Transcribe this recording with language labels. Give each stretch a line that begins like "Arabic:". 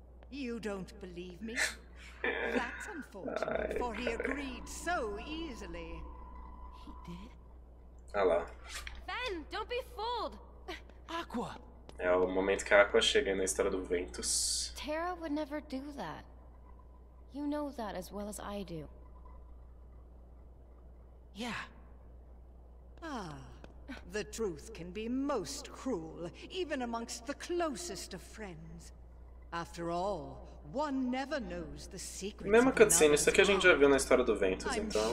English: You don't believe me? That's unfortunate, for he agreed so easily. He did?
Portuguese: Olha lá.
English: Ben, don't be fooled. Aqua.
Portuguese: É o momento que a Aqua chega na história do Ventus.
English: Terra would never do that. You know that as well as I do. Yeah. Ah, the truth can be most cruel, even amongst the closest of friends. After all, one never knows the secrets.
Portuguese: Mesma cutscene, isso aqui a gente já viu na história do Ventus, então.